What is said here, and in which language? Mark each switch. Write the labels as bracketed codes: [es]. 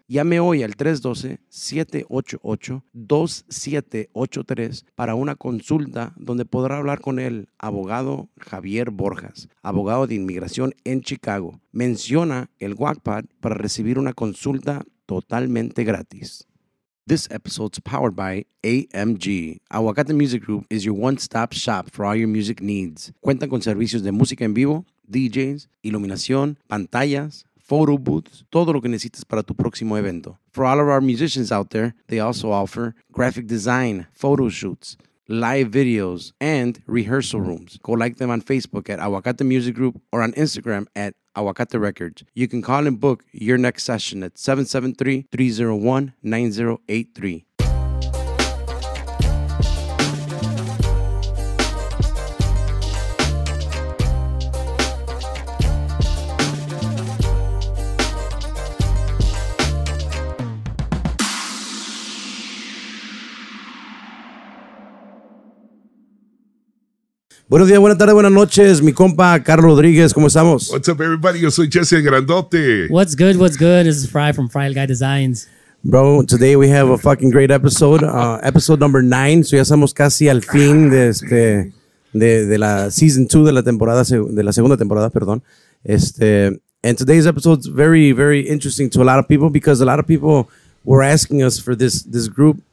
[es] Llame hoy al 312-788-2783 para una consulta donde podrá hablar con el abogado Javier Borjas, abogado de inmigración en Chicago. Menciona el WACPAD para recibir una consulta totalmente gratis. [en] This episode's powered by AMG. Aguacate Music Group is your one-stop shop for all your music needs. [es] Cuentan con servicios de música en vivo, DJs, iluminación, pantallas, photo booths, todo lo que necesites para tu próximo evento. [en] For all of our musicians out there, they also offer graphic design, photo shoots, live videos, and rehearsal rooms. Go like them on Facebook at Aguacate Music Group or on Instagram at Aguacate Records. You can call and book your next session at 773-301-9083. [es] Buenos días, buenas tardes, buenas noches. Mi compa, Carlos Rodriguez, ¿cómo estamos? [en] What's up, everybody? [es] Yo soy [en] Jesse Grandote. What's good? This is Fry from Fry Guy Designs. Bro, today we have a fucking great episode. Episode number 9. [es] So ya estamos casi al fin de la [en] season 2 [es] de la temporada, de la segunda temporada, perdón. [en] And today's episode is very, very interesting to a lot of people because a lot of people were asking us for this group.